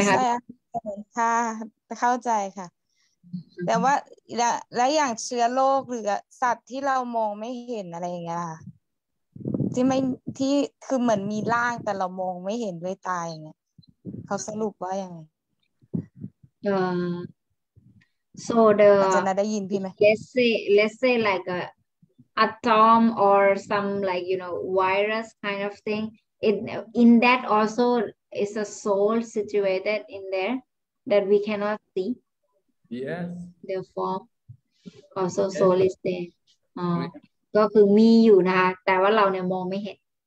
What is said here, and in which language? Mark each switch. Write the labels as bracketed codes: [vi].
[th] ค่ะค่ะเข้าใจค่ะแต่ว่าและอย่างเชื้อโรคหรือสัตว์ที่เรามองไม่เห็นอะไรอย่างเงี้ยค่ะที่ไม่ที่คือเหมือนมีร่างแต่เรามองไม่เห็นด้วยตาอย่างเงี้ยเขาสรุปว่ายังไง [en] So the let's say like a atom or some like you know virus kind of thing it in that also is a soul situated in there that we cannot see yes the form also yes. soul is there [th] ก็คือมีอยู่นะคะแต่ว่าเราเนี่ยมองไม่เห็น